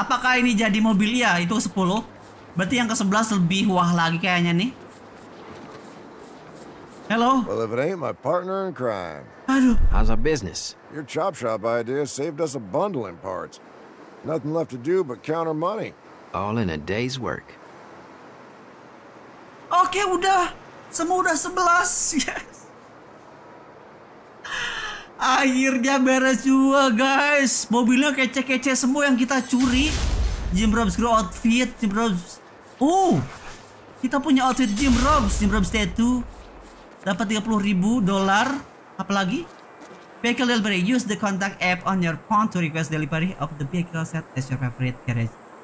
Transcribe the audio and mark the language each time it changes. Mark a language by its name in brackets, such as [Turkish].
[Indonesian] Apakah ini jadi mobil ya? Itu ke 10. Berarti yang ke-11 lebih wah lagi kayaknya nih. [English] Hello. Well, if it ain't my partner in crime. [Indonesian] Aduh. [English] How's our business? Your chop shop idea saved us a bundle in parts. Nothing left to do but count our money. All in a day's work. [Indonesian] Oke, udah. Semua udah 11. Yes. Akhirnya beres juga, guys. Mobilnya kece-kece semua yang kita curi. [English] Jim Robs grow outfit, Jim Robs. [Indonesian] Kita punya outfit Jim Robs, Jim Robs tattoo. Dapat $30,000. Apalagi? [English] Vehicle delivery. Use the contact app on your phone to request delivery of the vehicle set as your favorite garage.